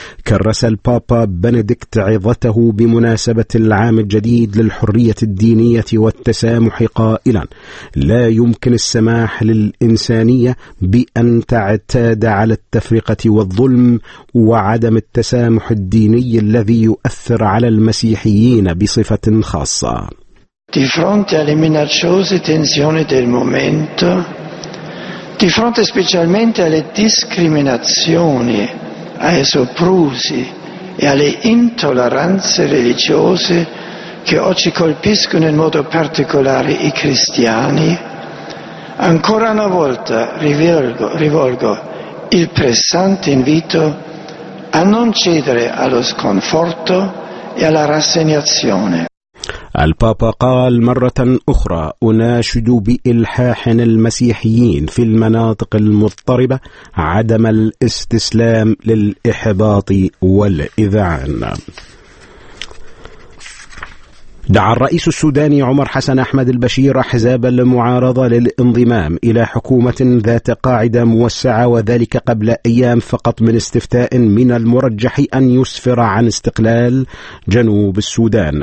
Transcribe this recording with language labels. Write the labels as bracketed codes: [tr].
[ar] كرس البابا بنديكت عظته بمناسبة العام الجديد للحرية الدينية والتسامح قائلا: لا يمكن السماح للإنسانية بأن تعتاد على التفرقة والظلم وعدم التسامح الديني الذي يؤثر على المسيحيين بصفة خاصة. [it] Di fronte alle minacciose tensioni del momento, di fronte specialmente alle discriminazioni, ai soprusi e alle intolleranze religiose che oggi colpiscono in modo particolare i cristiani, ancora una volta rivolgo il pressante invito a non cedere allo sconforto e alla rassegnazione. [ar] البابا قال مرة أخرى: أناشد بإلحاحنا المسيحيين في المناطق المضطربة عدم الاستسلام للإحباط والإذعان. دعا الرئيس السوداني عمر حسن أحمد البشير أحزاب المعارضة للانضمام إلى حكومة ذات قاعدة موسعة، وذلك قبل أيام فقط من استفتاء من المرجح أن يسفر عن استقلال جنوب السودان.